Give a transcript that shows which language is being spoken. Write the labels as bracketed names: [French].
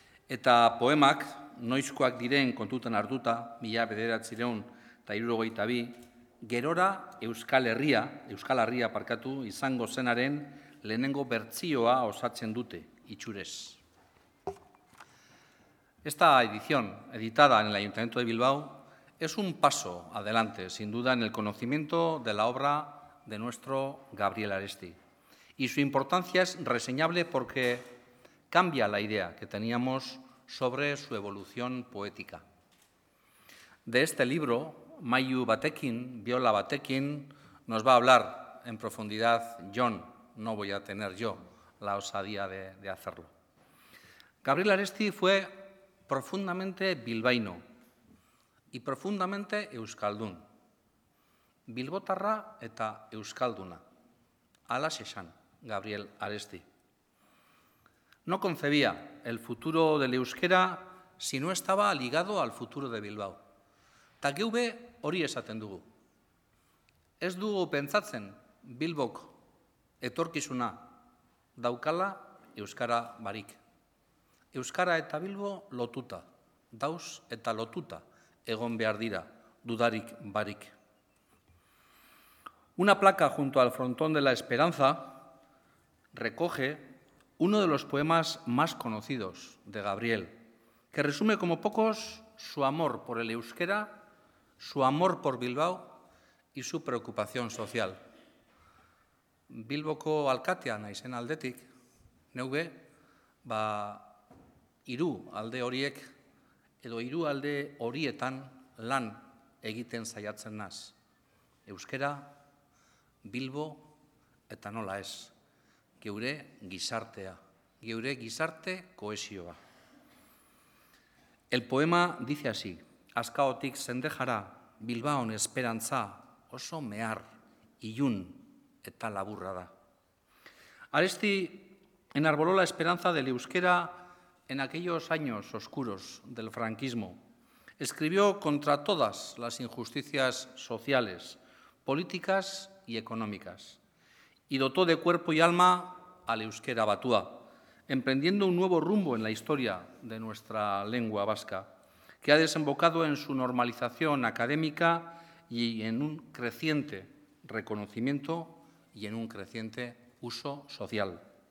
[Basque] Eta poemak, noizkoak diren kontutan hartuta, 1962, gerora Euskal Herria izango zenaren lehenengo bertsioa osatzen dute, itxurez. [Spanish] Esta edición, editada en el Ayuntamiento de Bilbao, es un paso adelante, sin duda, en el conocimiento de la obra de nuestro Gabriel Aresti. Y su importancia es reseñable porque cambia la idea que teníamos sobre su evolución poética. De este libro, Mailu batekin, Biola batekin, nos va a hablar en profundidad Jon. No voy a tener yo la osadía de hacerlo. Gabriel Aresti fue profundamente bilbaíno y profundamente euskaldun. [Basque] Bilbotarra eta euskalduna. Hala esan Gabriel Aresti. [Spanish] No concebía el futuro del euskera si no estaba ligado al futuro de Bilbao. [Basque] Ta geu be hori esaten dugu. Ez dugu pentsatzen Bilbok etorkizuna daukala euskara barik. Euskara eta Bilbo lotuta, dauz eta lotuta egon behar dira, dudarik barik. [Spanish] Una placa junto al frontón de la Esperanza recoge uno de los poemas más conocidos de Gabriel, que resume como pocos su amor por el euskera, su amor por Bilbao y su preocupación social. [Basque] Bilboko alkatea naizen aldetik, neuge, ba, hiru alde horiek edo hiru alde horietan lan egiten saiatzen naz. Euskera, Bilbo eta nola ez, geure gizartea, geure gizarte kohesioa. [Spanish] El poema dice así, [Basque] azkaotik zendejara Bilbaon esperantza oso mehar, ilun eta laburra da. [Spanish] Aresti enarboló la esperanza del euskera en aquellos años oscuros del franquismo. Escribió contra todas las injusticias sociales, políticas y económicas, y dotó de cuerpo y alma al euskera batua, emprendiendo un nuevo rumbo en la historia de nuestra lengua vasca, que ha desembocado en su normalización académica y en un creciente reconocimiento y en un creciente uso social.